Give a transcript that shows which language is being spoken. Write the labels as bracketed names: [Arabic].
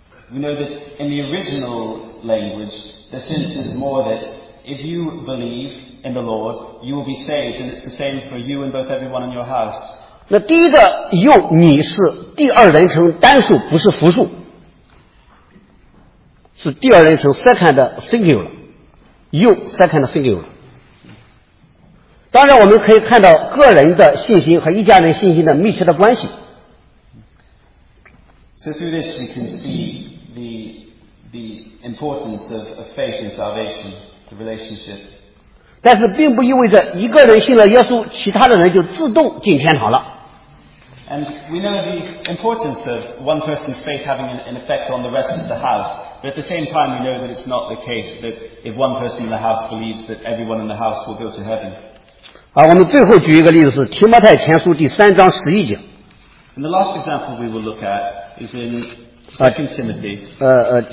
[English] We know that in the original language, the sense is more that if you believe in the Lord, you will be saved, and it's the same for you and both everyone in your house. [Chinese] 那第一个用你是第二人称单数，不是复数，是第二人称 [English] second singular， you second singular。 [Chinese] 当然，我们可以看到个人的信心和一家人信心的密切的关系。 [English] So through this we can see the importance of faith and salvation, the relationship. [Chinese] 但是，并不意味着一个人信了耶稣，其他的人就自动进天堂了。 [English] And we know the importance of one person's faith having an effect on the rest of the house. But at the same time, we know that it's not the case that if one person in the house believes that everyone in the house will go to heaven. [Chinese] 我们最后举一个例子是提摩太前书第三章十一节。 [English] And the last example we will look at is in 2 Timothy.